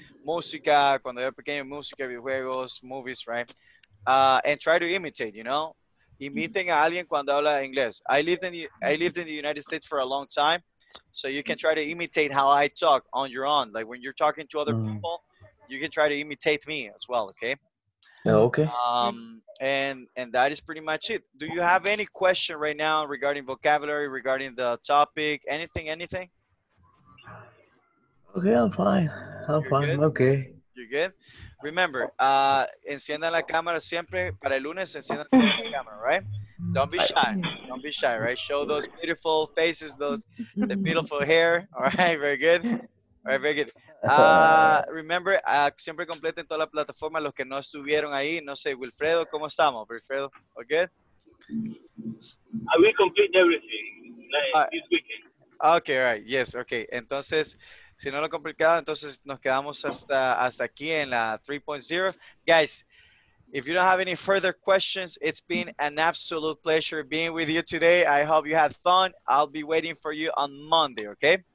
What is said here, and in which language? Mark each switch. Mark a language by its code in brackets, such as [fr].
[es] Música, cuando yo pequeño, música, videojuegos, movies, right? [en] And try to imitate, you know? Imiting [es] a alguien cuando habla inglés. [en] I lived in the United States for a long time, so you can try to imitate how I talk on your own. Like when you're talking to other people, you can try to imitate me as well, okay? Yeah, okay. And that is pretty much it. Do you have any question right now regarding vocabulary, regarding the topic, anything? Okay, I'm fine. Good? Okay. You're good? [es] Remember, enciendan la cámara siempre para el lunes, enciendan la cámara, right? [en] Don't be shy. Don't be shy, right? Show those beautiful faces, those the beautiful hair. All right, very good. All right, very good. [es] Remember, siempre completen toda la plataforma los que no estuvieron ahí. No sé, Wilfredo, ¿cómo estamos, Wilfredo? Okay. [en] I will complete everything this weekend. Okay, all right. Yes, okay. [es] Entonces, si no lo complicado, entonces nos quedamos hasta aquí en la 3.0. [en] Guys, if you don't have any further questions, it's been an absolute pleasure being with you today. I hope you had fun. I'll be waiting for you on Monday, okay?